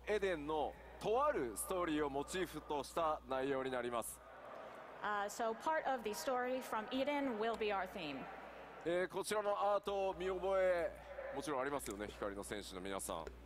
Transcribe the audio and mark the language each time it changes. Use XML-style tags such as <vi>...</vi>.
<ja>エデンのとあるストーリーをモチーフとした内容になります。</ja> <en>So part of the story from Eden will be our theme.</en> <ja>こちらのアートを見覚え、もちろんありますよね、光の戦士の皆さん。</ja>